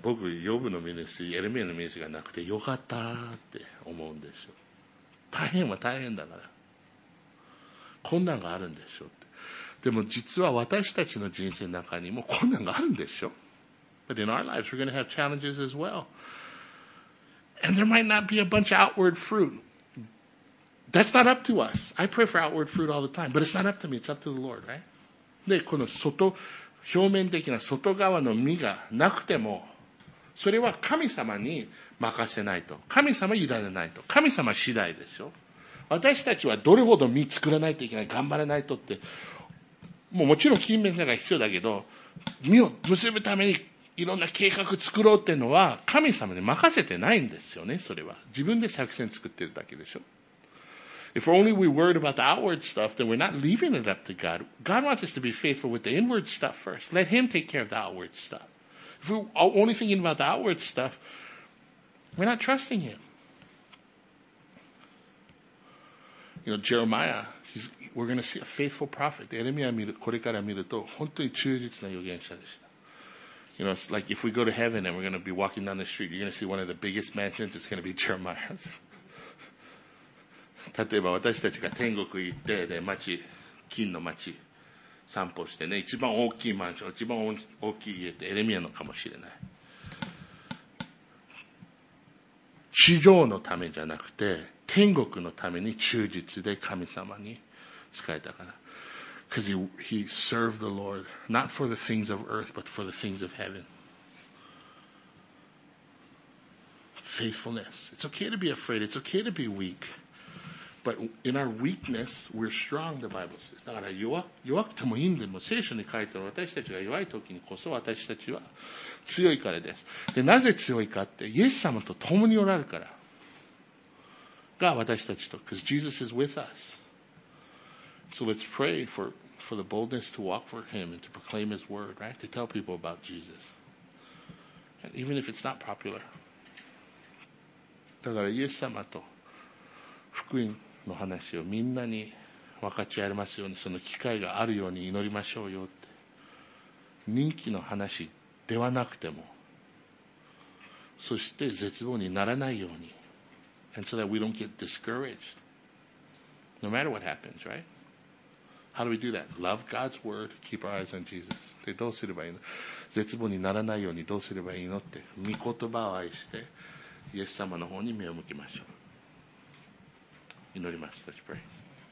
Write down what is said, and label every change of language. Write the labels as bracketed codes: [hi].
[ja] 僕、ヨブのミネス、エレミアのミネスがなくてよかったって思うんですよ。大変は大変だから。困難があるんでしょって。でも実は私たちの人生の中にも困難があるんでしょ。 [en] But in our lives, we're going to have challenges as well. And there might not be a bunch of outward fruit. That's not up to us. I pray for outward fruit all the time, but it's not up to me. It's up to the Lord, right? [ja] で、この外、表面的な外側の実がなくても、それは神様に任せないと。神様委ねないと。神様次第でしょ。私たちはどれほど実作らないといけない、頑張らないとって、もうもちろん勤勉さが必要だけど、実を結ぶためにいろんな計画を作ろうっていうのは神様に任せてないんですよね。それは自分で作戦作ってるだけでしょ。 [en] If only we worried about the outward stuff, then we're not leaving it up to God. God wants us to be faithful with the inward stuff first. Let Him take care of the outward stuff. If we're only thinking about the outward stuff, we're not trusting Him. You know, Jeremiah, we're going to see a faithful prophet. [ja] エレミア見る、これから見ると、本当に忠実な預言者でした。 [en] You know, it's like if we go to heaven and we're going to be walking down the street, you're going to see one of the biggest mansions, it's going to be Jeremiah's. [ja] 例えば私たちが天国行って、ね、町、金の町散歩してね、一番大きいマンション、一番大きい家ってエレミアのかもしれない。地上のためじゃなくて天国のために忠実で神様に仕えたから。 [en] Because he served the Lord not for the things of earth but for the things of heaven. Faithfulness. It's okay to be afraid. It's okay to be weakBut in our weakness, we're strong, the Bible says. [ja] だから弱くてもいいんでも、聖書に書いてある私たちが弱い時にこそ私たちは強いからです。で、なぜ強いかって、イエス様と共におられるからが私たちと。 [en] Because Jesus is with us. So let's pray for the boldness to walk for Him and to proclaim His word, right? To tell people about Jesus. And even if it's not popular. [ja] だからイエス様と福音の話をみんなに分かち合いますように、その機会があるように祈りましょうよって。人気の話ではなくても、そして絶望にならないように。 [en] And so that we don't get discouraged no matter what happens, right? How do we do that? Love God's word, keep our eyes on Jesus. [ja] でどうすればいいの？絶望にならないようにどうすればいいのって、御言葉を愛してイエス様の方に目を向けましょう。祈ります。 [en] Let's pray.